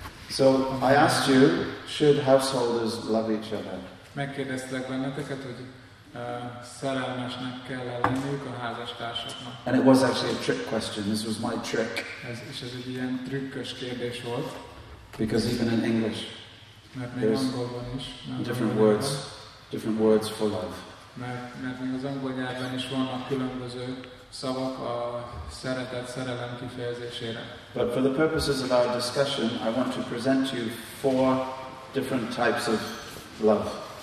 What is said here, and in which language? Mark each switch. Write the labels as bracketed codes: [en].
[en] So, I asked you, should householders love each other? [hu] Megkérdeztek benneteket, hogy szerelmesnek kell lenniük a házastársaknak. [en] And it was actually a trick question, this was my trick. [hu] Ez egy ilyen trükkös kérdés volt. [en] Because even in English, there's [hu] angolban is, [en] different words. Different words for love. [hu] Mert még az angol nyelven is vannak különböző szavak a szeretet, szerelem kifejezésére. [en] But for the purposes of our discussion, I want to present you four different types of love.